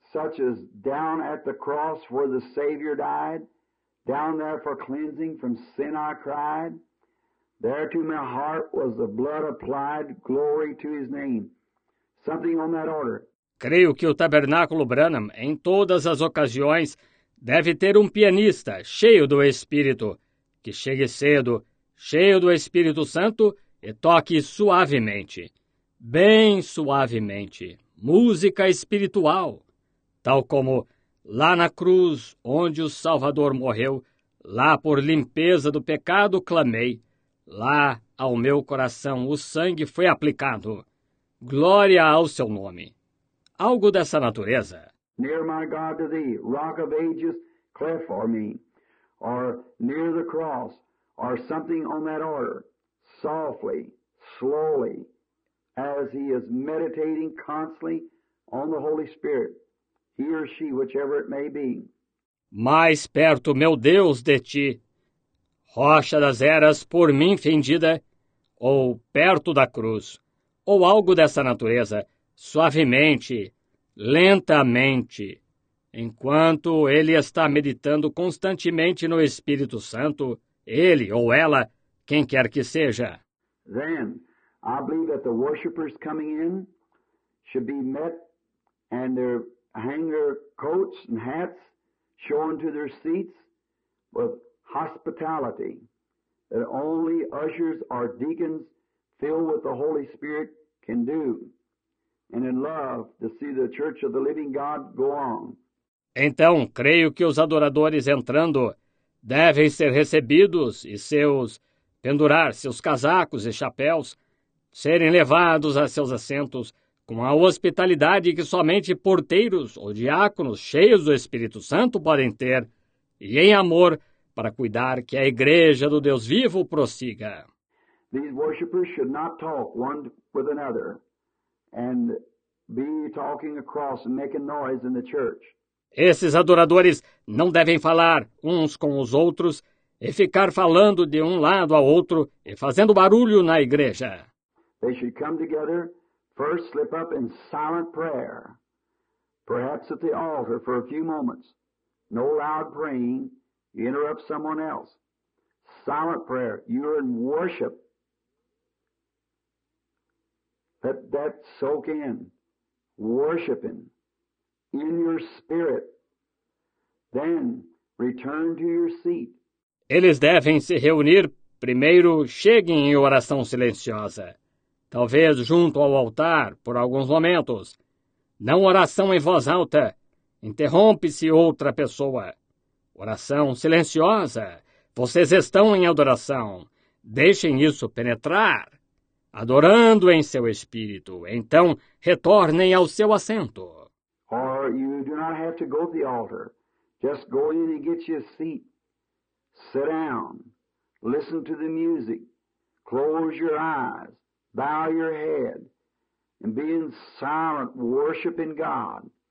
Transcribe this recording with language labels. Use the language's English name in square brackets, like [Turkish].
[English] Such as down at the cross where the Savior died, down there for cleansing from sin I cried, there to my heart was the blood applied, glory to his name. Something on that order. [Portuguese] Creio que o Tabernáculo Branham, em todas as ocasiões, deve ter um pianista cheio do Espírito, que chegue cedo, cheio do Espírito Santo, e toque suavemente, bem suavemente, música espiritual. Tal como lá na cruz onde o Salvador morreu, lá por limpeza do pecado clamei, lá ao meu coração o sangue foi aplicado. Glória ao seu nome. Algo dessa natureza. [English] Near my God to thee, rock of ages, cleft for me, or near the cross, or something on that order, softly, slowly, as he is meditating constantly on the Holy Spirit. He or she, whichever it may be. [Portuguese] Mais perto, meu Deus, de ti, rocha das eras por mim fendida, ou perto da cruz, ou algo dessa natureza, suavemente, lentamente, enquanto ele está meditando constantemente no Espírito Santo, ele ou ela, quem quer que seja. [English] Then, I believe that the worshipers coming in should be met and their hanger coats and hats shown to their seats with hospitality, that only ushers or deacons filled with the Holy Spirit can do, and in love to see the church of the living God go on. [Portuguese] Então, creio que os adoradores entrando devem ser recebidos e seus pendurar seus casacos e chapéus, serem levados a seus assentos com a hospitalidade que somente porteiros ou diáconos cheios do Espírito Santo podem ter, e em amor para cuidar que a igreja do Deus vivo prossiga. [English] These worshipers should not talk one with another and be talking across and making noise in the church. [Portuguese] Esses adoradores não devem falar uns com os outros e ficar falando de um lado ao outro e fazendo barulho na igreja. [English] They should come together, first slip up in silent prayer, perhaps at the altar for a few moments. No loud praying, you interrupt someone else. Silent prayer, you're in worship. Let that soak in, worshiping in your spirit. Then return to your seat. [Portuguese] Eles devem se reunir, primeiro cheguem em oração silenciosa, talvez junto ao altar por alguns momentos. Não oração em voz alta, interrompe-se outra pessoa. Oração silenciosa, vocês estão em adoração, deixem isso penetrar. Adorando em seu espírito, então retornem ao seu assento. [English] Or you do not have to go to the altar. Just go in and get your seat. Sit down. Listen to the music. Close your eyes. Bow your head. And be in silent, worshiping God.